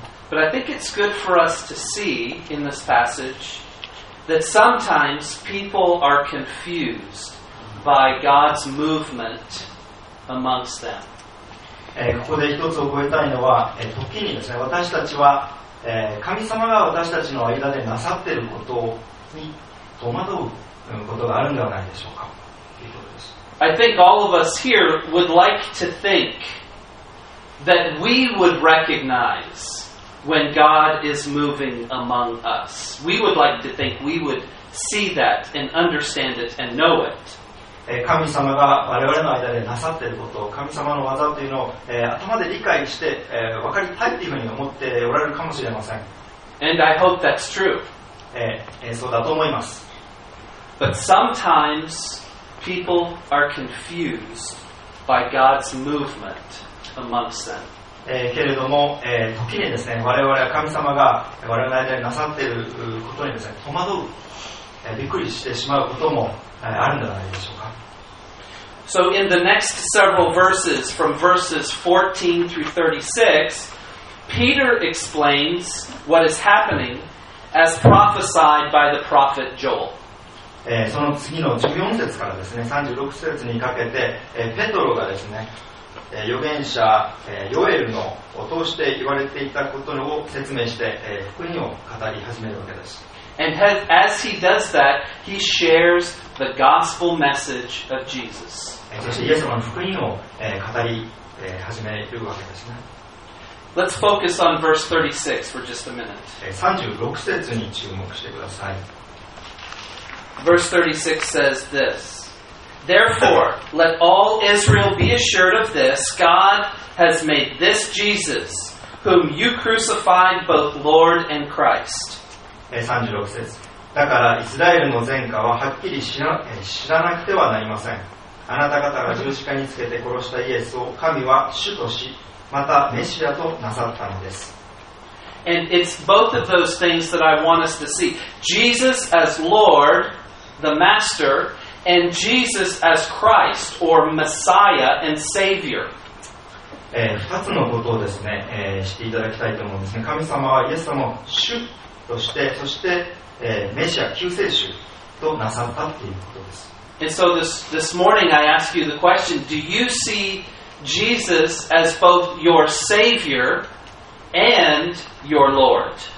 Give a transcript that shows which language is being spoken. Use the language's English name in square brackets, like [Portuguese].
[English] But I think it's good for us to see in this passage that sometimes people are confused by God's movement amongst them. [Japanese] ここで一つ覚えたいのは、時にですね、私たちは神様が私たちの間でなさっていることに戸惑うことがあるのではないでしょうかということです。 [English] I think all of us here would like to think that we would recognize when God is moving among us. We would like to think we would see that and understand it and know it. [Japanese] 神様が我々の間でなさっていることを、神様の技というのを、頭で理解して、分かりたいというふうに思っておられるかもしれません。 [English] And I hope that's true. [Japanese] そうだと思います。 [English] But sometimes people are confused by God's movement amongst them. [Japanese] けれども、時にですね、我々は神様が我々の間でなさっていることにですね、戸惑う、びっくりしてしまうこともあるんじゃないでしょうか。 [English] So in the next several verses, from verses 14 through 36, Peter explains what is happening as prophesied by the prophet Joel. [Japanese] その次の14節からですね、36節にかけて、ペトロがですね、預言者ヨエルのを通して言われていたことを説明して、福音を語り始めるわけです。 [English] And as he does that, he shares the gospel message of Jesus. [Japanese] そしてイエス様の福音を語り始めるわけですね。 [English] Let's focus on verse 36 for just a minute. [Japanese] 36節に注目してください。 [English] Verse 36 says this: Therefore, let all Israel be assured of this: God has made this Jesus, whom you crucified, both Lord and Christ. [Japanese] 36節。だからイスラエルの前科ははっきり知らなくてはなりません。あなた方が十字架につけて殺したイエスを神は主とし、またメシアとなさったのです。 [English] And it's both of those things that I want us to see. Jesus as Lord, the Master, and Jesus as Christ, or Messiah and Savior. [Japanese] 2つのことをですね、知っていただきたいと思うんですね。神様はイエス様を主として、そして、メシア、救世主となさったということです。 [English] And so this morning I ask you the question, do you see Jesus as both your Savior and your Lord?